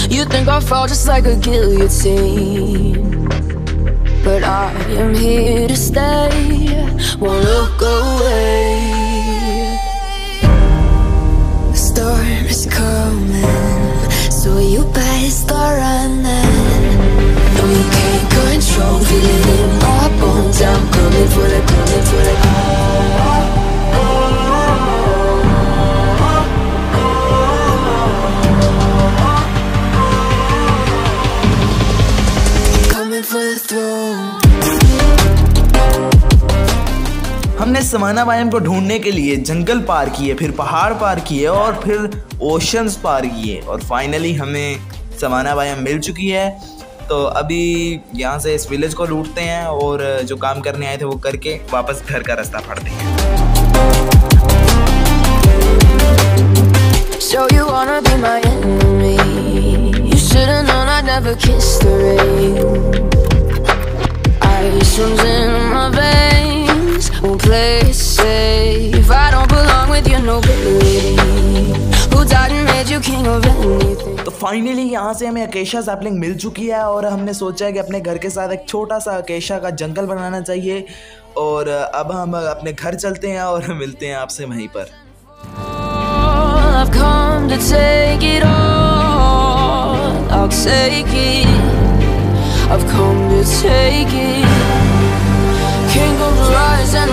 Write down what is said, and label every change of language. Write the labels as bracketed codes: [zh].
[en] You think I fall just like a guillotine, but I am here to stay. Won't look away. The storm is coming, so you better start running. No, you can't control feeling in my bones. I'm coming for the [hi] coming for the हमने समाना बायम को ढूंढने के लिए जंगल पार किए, फिर पहाड़ पार किए और फिर ओशंस पार किए और फाइनली हमें समाना बायम मिल चुकी है। तो अभी यहाँ से इस विलेज को लूटते हैं और जो काम करने आए थे वो करके वापस घर का रास्ता फाड़ते हैं। [en] So you wanna be my enemy. You should've known I'd never kiss the rain. Ice runs in my veins. Won't play safe. I don't belong with your nobility. Who died and made you king of anything? [hi] Finally यहाँ से हमें अकेशा sapling मिल चुकी है और हमने सोचा है कि अपने घर के साथ एक छोटा सा अकेशा का जंगल बनाना चाहिए। और अब हम अपने घर चलते हैं और मिलते हैं आपसे वहीं पर।